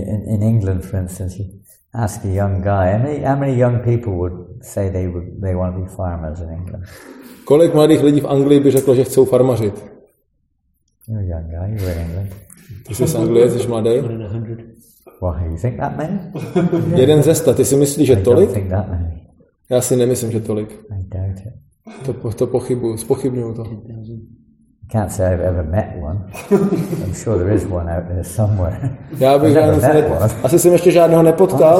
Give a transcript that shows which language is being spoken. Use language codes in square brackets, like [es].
[en] In England, for instance, you ask a young guy, how many young people would say they want to be farmers in England? [cs] Kolik mladých lidí v Anglii by řeklo, že chcou farmařit? [en] You're a young guy, you're in England. [cs] Ty jsi z Anglie, jsi mladý? [en] Why, you think that many? [cs] Jeden ze sta, ty si myslíš, že tolik? [en] I don't think that many. [cs] Já si nemyslím, že tolik. [en] I doubt it. [cs] To pochybuju, spochybnuju to. [en] I can't say I've ever met one. I'm sure there is one out there somewhere. [cs] Já bych asi jsem ještě žádného nepotkal.